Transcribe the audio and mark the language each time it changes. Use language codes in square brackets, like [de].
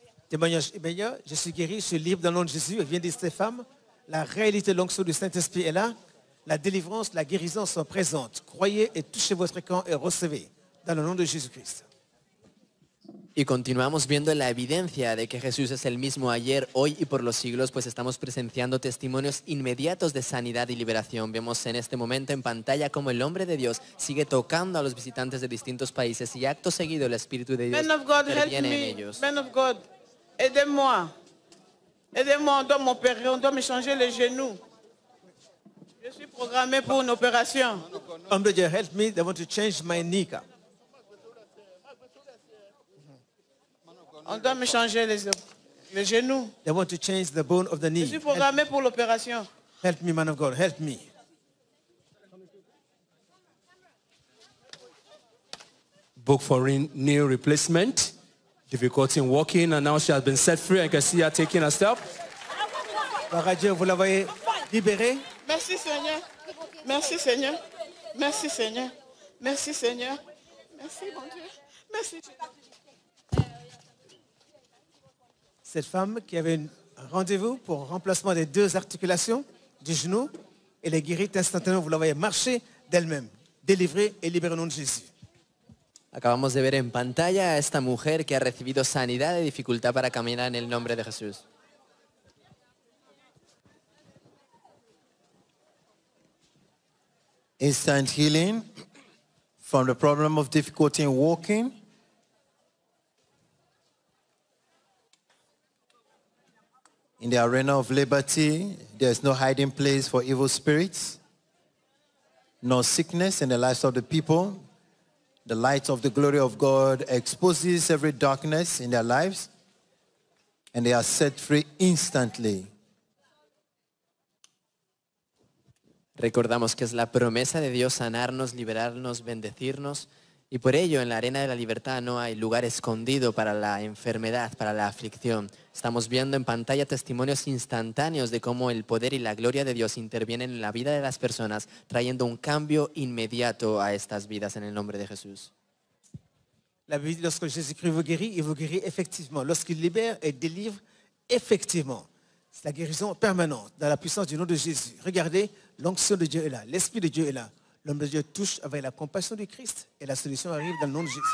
[fr] Témoignage meilleur, je suis guéri, je suis libre dans le nom de Jésus. Viens de ces femmes, la réalité de l'onction du Saint-Esprit est là. La délivrance, la guérison sont présentes. Croyez et touchez votre camp et recevez dans le nom de Jésus-Christ. [es] Y continuamos viendo la evidencia de que Jesús es el mismo ayer, hoy y por los siglos, pues estamos presenciando testimonios inmediatos de sanidad y liberación. Vemos en este momento en pantalla cómo el hombre de Dios sigue tocando a los visitantes de distintos países y acto seguido el Espíritu de Dios interviene en ellos. [en] Men of God. [fr] Aidez-moi. Aidez-moi, on doit m'opérer, on doit me changer les genoux. Je suis programmé pour une opération. Homme de Dieu, [en] help me, they want to change my knee. [fr] On doit me changer les genoux. [en] They want to change the bone of the knee. [fr] Je suis programmé pour l'opération. [en] Help me, man of God, help me. Book for knee replacement. Difficulty in walking, and now she has been set free. I can see her taking a step. [fr] Gloire à Dieu, vous la voyez libérée. Merci Seigneur. Merci Seigneur. Merci Seigneur. Merci Seigneur. Merci mon Dieu. Merci. Cette femme qui avait un rendez-vous pour remplacement des deux articulations du genou, elle est guérie instantanément. Vous la voyez marcher d'elle-même, délivrée et libérée au nom de Jésus. [es] Acabamos de ver en pantalla a esta mujer que ha recibido sanidad y dificultad para caminar en el nombre de Jesús. [en] Instant healing from the problem of difficulty in walking. In the arena of liberty, there is no hiding place for evil spirits, no sickness in the lives of the people. The light of the glory of God exposes every darkness in their lives and they are set free instantly. [es] Recordamos que es la promesa de Dios sanarnos, liberarnos, bendecirnos. Y por ello, en la arena de la libertad no hay lugar escondido para la enfermedad, para la aflicción. Estamos viendo en pantalla testimonios instantáneos de cómo el poder y la gloria de Dios intervienen en la vida de las personas, trayendo un cambio inmediato a estas vidas en el nombre de Jesús. [fr] La Biblia, lorsque Jésus-Christ vous guérit, il vous guérit effectivement. Lorsqu'il libère et délivre, effectivement. C'est la guérison permanente dans la puissance du nom de Jésus. Regardez, l'onction de Dieu est là, l'Esprit de Dieu est là. L'homme de Dieu touche avec la compassion du Christ et la solution arrive dans le nom de Jésus.